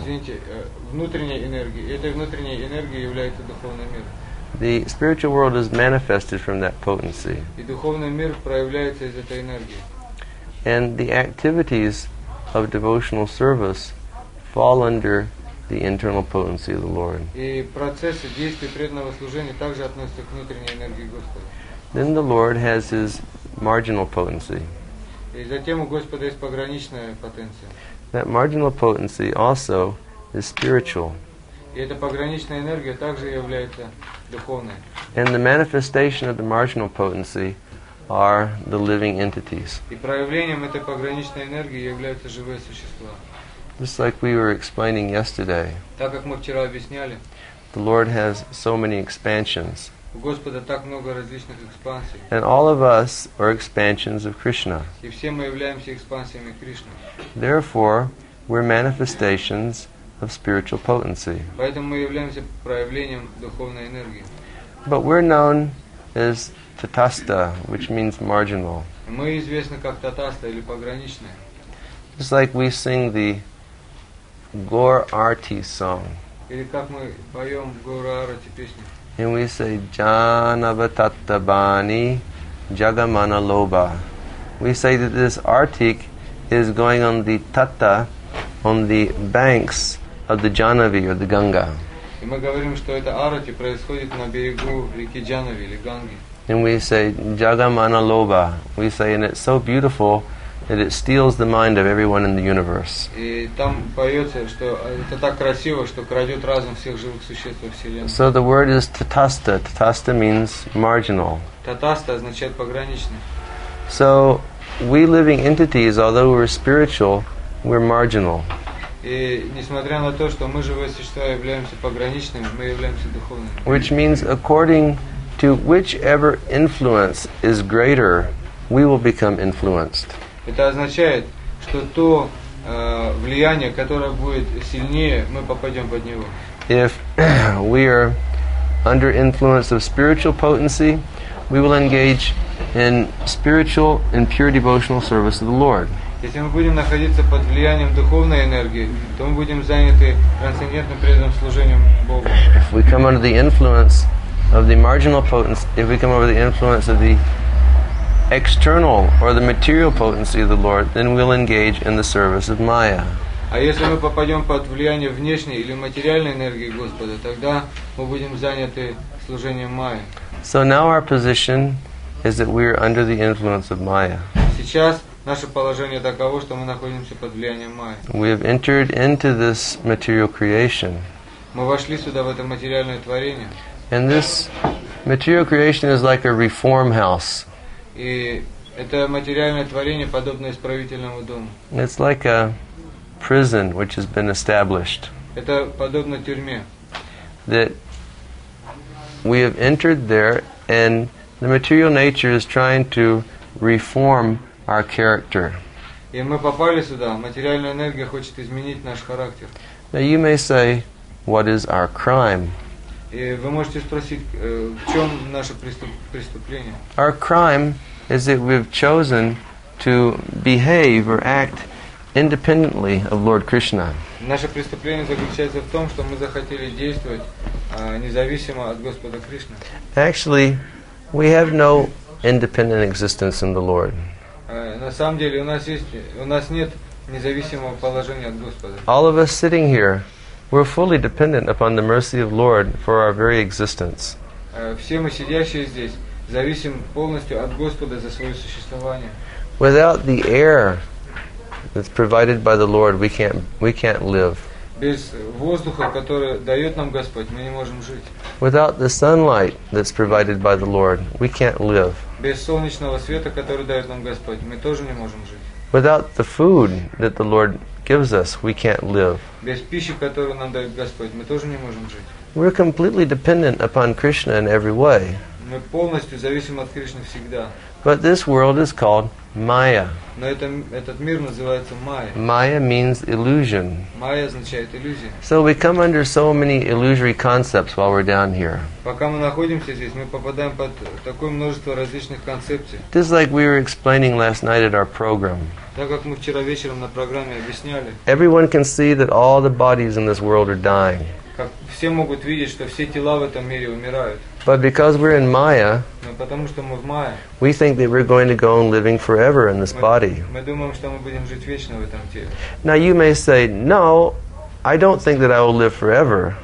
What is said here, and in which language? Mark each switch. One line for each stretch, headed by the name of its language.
Russian: Извините, внутренняя энергия. Эта внутренняя энергия является духовным миром.
English: The spiritual world is manifested from that potency.
Russian: И духовный мир проявляется из этой энергии.
English: And the activities of devotional service fall under the internal potency of the Lord.
Russian: И процессы действий преданного служения также относятся к внутренней энергии Господа.
English: Then the Lord has His marginal potency.
Russian: И затем у Господа есть пограничная потенция.
English: That marginal potency also is spiritual.
Russian: И эта пограничная энергия также является духовной.
English: And the manifestation of the marginal potency are the living entities.
Russian: И проявлением этой пограничной энергии являются живые существа.
English: Just like we were explaining yesterday.
Russian: Так как мы вчера объясняли.
English: The Lord has so many expansions.
Russian: У Господа так много различных экспансий.
English: And all of us are expansions of Krishna.
Russian: И все мы являемся экспансиями Кришны.
English: Therefore, we're manifestations of spiritual potency.
Russian: Поэтому мы являемся проявлением духовной энергии.
English: But we're known as tatastha, which means marginal.
Russian: Мы известны как татаста или пограничные.
English: Just like we sing the Gaur Aarti song.
Russian: Или как мы поем Gaur Aarti песню.
English: And we say
Bangla: Janavatattabani Jagamana Loba.
English: We say that this Artik is going on the Tata, on the banks of the Janavi or the Ganga.
Russian: И мы говорим, что это Арати происходит на берегу реки Джанави или Ганги.
English: And we say
Bangla: Jagamana Loba.
English: We say, and it's so beautiful that it steals the mind of everyone in the universe.
Russian: И там поется, что это так красиво, что крадет разум всех живых существ во вселенной.
English: So the word is tatasta. Tatasta means marginal.
Russian: Tatasta означает пограничный.
English: So we living entities, although we're spiritual, we're marginal.
Russian: И несмотря на то, что мы живые существа являемся пограничными, мы являемся духовными.
English: Which means according to whichever influence is greater, we will become influenced.
Russian: Это означает, что то влияние, которое будет сильнее, мы попадем под него.
English: If we are under influence of spiritual potency, we will engage in spiritual and pure devotional service of the Lord.
Russian: Если мы будем находиться под влиянием духовной энергии, то мы будем заняты трансцендентным преданным служением Богу.
English: If we come under the influence of the marginal potency, if we come under the influence of the external or the material potency of the Lord, then we'll engage in the service of Maya.
Russian: А если мы попадем под влияние внешней или материальной энергии Господа, тогда мы будем заняты служением Майя.
English: So now our position is that we are under the influence of Maya.
Russian: Сейчас наше положение таково, что мы находимся под влиянием Майя.
English: We have entered into this material creation.
Russian: Мы вошли сюда в это материальное творение.
English: And this material creation is like a reform house.
Russian: И это материальное творение подобно исправительному дому.
English: It's like a prison which has been established.
Russian: Это подобно тюрьме.
English: That we have entered there and the material nature is trying to reform our character.
Russian: И мы попали сюда, материальная энергия хочет изменить наш характер.
English: Now you may say, what is our crime?
Russian: И вы можете спросить, в чем наше преступление?
English: Our crime is that we've chosen to behave or act independently of Lord Krishna.
Russian: Наше преступление заключается в том, что мы захотели действовать независимо от Господа Кришны.
English: Actually, we have no independent existence in the Lord.
Russian: На самом деле, у нас нет независимого положения от Господа.
English: All of us sitting here, we're fully dependent upon the mercy of Lord for our very existence.
Russian: Все мы сидящие здесь зависим полностью от Господа за своё существование.
English: Without the air that's provided by the Lord, we can't live.
Russian: Без воздуха, который даёт нам Господь, мы не можем жить.
English: Without the sunlight that's provided by the Lord, we can't live.
Russian: Без солнечного света, который даёт нам Господь, мы тоже не можем жить.
English: Without the food that the Lord gives us, we can't live.
Russian: Без пищи, которую нам даёт Господь, мы тоже не можем жить.
English: We're completely dependent upon Krishna in every way.
Russian: Мы полностью зависим от Кришны всегда.
English: But this world is called Maya.
Russian: Но этот мир называется Maya.
English: Maya means illusion.
Russian: Maya означает иллюзия.
English: So we come under so many illusory concepts while we're down here.
Russian: Пока мы находимся здесь, мы попадаем под такое множество различных концепций.
English: This is like we were explaining last night at our program.
Russian: Так как мы вчера вечером на программе объясняли.
English: Everyone can see that all the bodies in this world are dying.
Russian: Как все могут видеть, что все тела в этом мире умирают.
English: But because we're in Maya,
Russian: но потому что мы в Maya,
English: we think that we're going to go on living forever in this body.
Russian: Мы думаем, что мы будем жить вечно в этом теле.
English: Now you may say, no, I don't think that I will live forever.